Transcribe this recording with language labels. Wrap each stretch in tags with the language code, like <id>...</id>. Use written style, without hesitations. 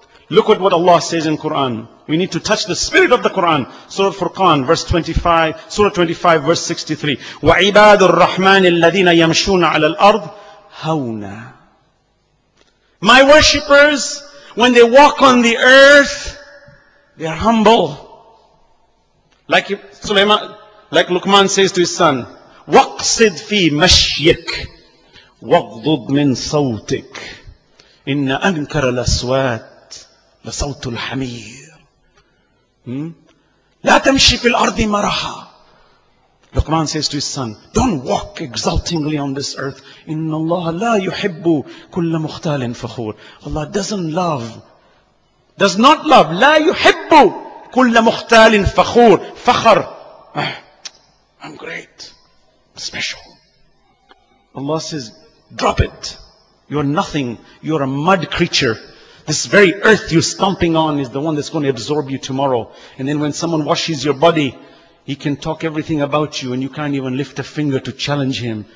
<en>Look at what Allah says in Quran. We need to touch the spirit of the Quran. Surah Furqan, verse 25, Surah 25, verse 63.</en> <ar>وَعِبَادُ الرَّحْمَنِ الَّذِينَ يَمْشُونَ عَلَى الْأَرْضِ هَوْنَا.</ar> <en>My worshippers, when they walk on the earth, they are humble. Like Sulaiman, like Luqman says to his son,</en> <ar>وَقْصِدْ فِي مَشْيِكْ وَغْضُضْ مِنْ صَوْتِكْ إِنَّ أَنْكَرَ الْأَصْوَاتِ لَصَوْتُ الْحَمِيرِ. لَا تَمْشِي فِي الْأَرْضِ مَرَحًا.</ar> <en>Luqman says to his son, don't walk exultingly on this earth.</en> <ar>إِنَّ اللَّهَ لَا يُحِبُّ كُلَّ مُخْتَالٍ فَخُورٍ.</ar> <en>Allah does not love,</en> <ar>لَا يُحِبُّ كُلَّ مُخْتَالٍ فَخُورٍ.</ar> <en>فَخَر, I'm great, special. Allah says, drop it. You're nothing. You're a mud creature. This very earth you're stomping on is the one that's going to absorb you tomorrow. And then when someone washes your body, he can talk everything about you and you can't even lift a finger to challenge him.</en>